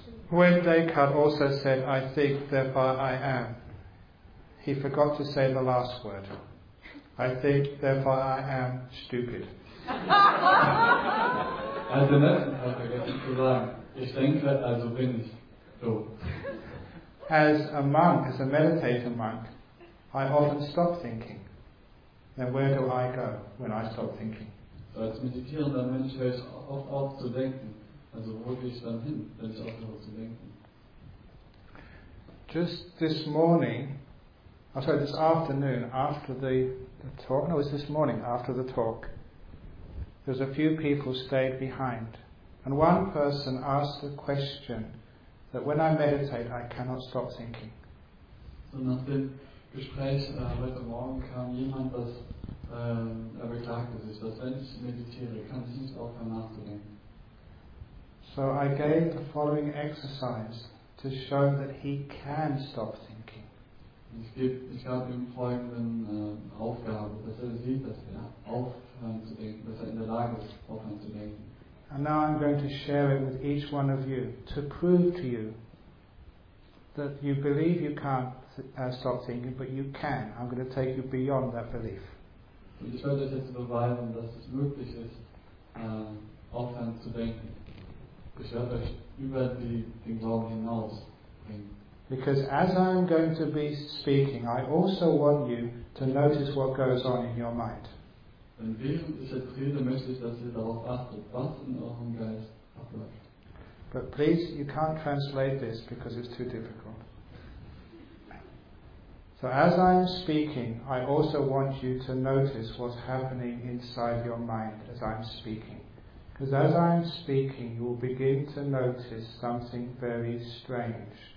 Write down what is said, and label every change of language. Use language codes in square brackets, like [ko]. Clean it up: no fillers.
[en] When Descartes also said, I think, therefore I am, he forgot to say the last word. I think, therefore I am stupid. [de] Als den letzten Teil vergessen zu sagen, ich denke, also bin ich dumm. [en] As a monk, as a meditator monk, I often stop thinking. Then where do I go when I stop thinking? [de] So als meditierender Mensch höre ich oft auf zu denken. Also wo gehe ich dann hin, wenn ich aufhöre zu denken? [en] Just this morning, I'm sorry, this afternoon, after the talk, no, it was this morning, after the talk, there was a few people stayed behind. And one person asked the question that when I meditate, I cannot stop thinking. [de] So nach dem Gespräch heute Morgen kam jemand, das er beklagte sich, dass wenn ich meditiere, kann ich nicht aufhören nachzudenken. [en] So I gave the following exercise to show that he can stop thinking. [de] Ich gab ihm folgenden Aufgabe, dass er sieht, dass er aufhören zu denken, dass er in der Lage ist, aufhören zu denken. [en] And now I'm going to share it with each one of you to prove to you that you believe you can't stop thinking, but you can. I'm going to take you beyond that belief. [de] Und ich werde euch jetzt beweisen, dass es möglich ist, aufhören zu denken. Ich werde euch über den Glauben hinaus bringen. [en] Because as I'm going to be speaking, I also want you to notice what goes on in your mind. [de] Und während ich erzähle, möchte ich, dass ihr darauf achtet, was in eurem Geist abläuft. [en] But please, you can't translate this because it's too difficult. So as I'm speaking, I also want you to notice what's happening inside your mind as I'm speaking. Because as I'm speaking, you will begin to notice something very strange.